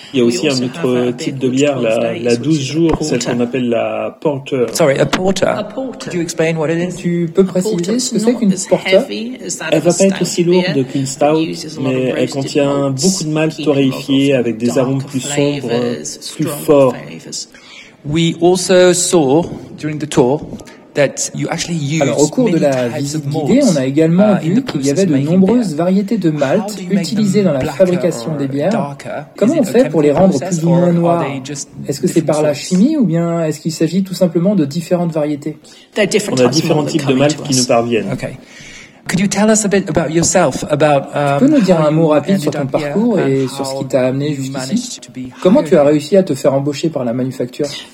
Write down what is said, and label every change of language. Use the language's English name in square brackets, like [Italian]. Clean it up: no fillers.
[French] Il y a aussi un autre type de bière, la 12 jours, celle qu'on appelle la porter. [English] Sorry, a porter. Could you explain what it is? [French] Tu peux préciser ce que c'est qu'une porter? Elle va pas être aussi lourde qu'une stout, mais elle contient beaucoup de malt torréfié avec des arômes plus sombres, plus forts. [English] We also saw during the tour that you actually used. [French] Alors, au cours de la visite guidée, on a également vu qu'il y avait de nombreuses variétés de malt utilisées dans la fabrication des bières. Comment on fait pour les rendre plus ou moins noirs? Est-ce que c'est par la chimie ou bien est-ce qu'il s'agit tout simplement de différentes variétés? On a différents types de malt qui nous parviennent. [English] Okay. Could you tell us a bit about yourself, about, [French] tu peux nous dire un mot rapide sur ton parcours et sur ce qui t'a amené jusqu'ici? Comment tu as réussi à te faire embaucher par la manufacture?